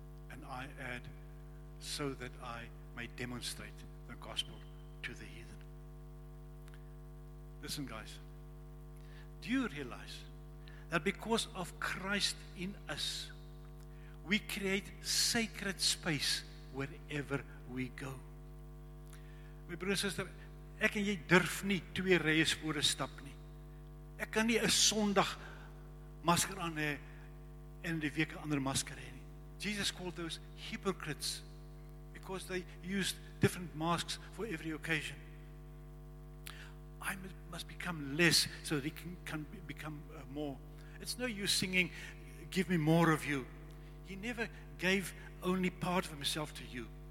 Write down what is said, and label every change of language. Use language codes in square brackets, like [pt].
[en] And I add, so that I may demonstrate the gospel to the heathen. Listen, guys. Do you realize that because of Christ in us, we create sacred space wherever we go? [af] My broer en suster, ek en jy durf nie twee rye spore stap nie. Ek kan nie 'n Sondag masker aan hê en die week 'n ander masker hê nie. [en] Jesus called those hypocrites because they used different masks for every occasion. I must become less so that He can become more. It's no use singing, give me more of you. He never gave only part of Himself to you.